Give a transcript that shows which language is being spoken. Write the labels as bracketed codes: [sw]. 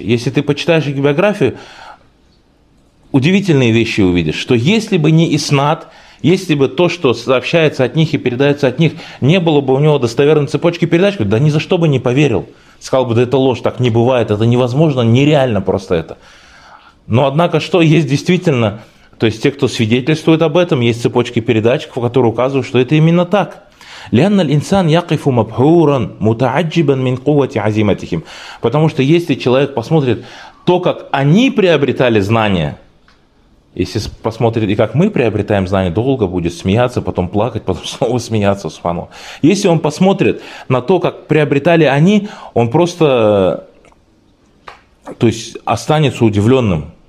[ru] Если ты почитаешь их биографию, удивительные вещи увидишь, что если бы не иснад, если бы то, что сообщается от них и передается от них, не было бы у него достоверной цепочки передач, да ни за что бы не поверил. Сказал бы, да это ложь, так не бывает, это невозможно, нереально просто это. Но однако что есть действительно, то есть те, кто свидетельствует об этом, есть цепочки передач, в которые указывают, что это именно так. [ar] لأن الإنسان يقف مبهورا متعجبا من قوة عزيمتهم. [ru] Потому что если человек посмотрит то, как они приобретали знания, если посмотрит, и как мы приобретаем знания, долго будет смеяться, потом плакать, потом снова смеяться, субхану. Если он посмотрит на то, как приобретали они, он просто, то есть, останется удивленным.